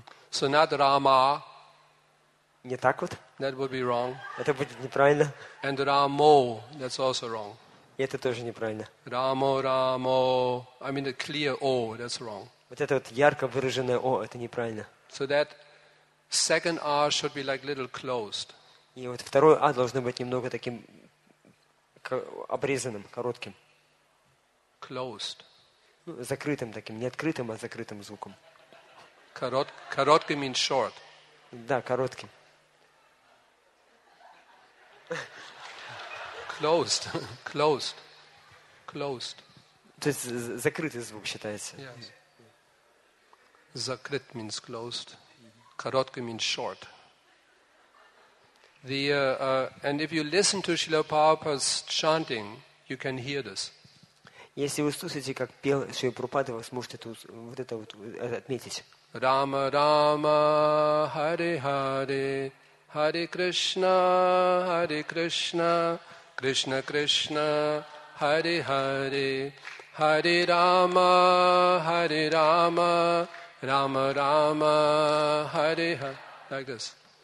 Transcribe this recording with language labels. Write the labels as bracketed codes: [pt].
[en] So not Rama. [ru] Не так вот? [en] That would be wrong. [ru] Это будет неправильно. [en] And Ramo, that's also wrong. [ru] И это тоже неправильно. [en] Ramo, Ramo. I mean the clear O, that's wrong. [ru] Вот это вот ярко выраженное О, это неправильно. [en] So that second R should be like little closed. [ru] И вот второе А должно быть немного таким обрезанным, коротким. [en] Closed. [ru] Ну, закрытым таким, не открытым, а закрытым звуком. [en] Короткий means short. [ru] Да, коротким. [en] Closed. Closed. Closed. [ru] То есть закрытый звук считается. [en] Yes. Закрыт means closed. Короткий means short. And if you listen to Srila Prabhupada's chanting, you can hear this. [ru] Если вы слушаете, как пел Шрила Прабхупада, вы сможете тут вот это вот отметить. [sa] Рама, Рама, Хари, Хари, Хари Кришна, Хари Кришна, Кришна, Кришна, Хари, Хари, Хари Рама, Хари Рама, Рама, Рама, Хари, Хари. [en] Like this.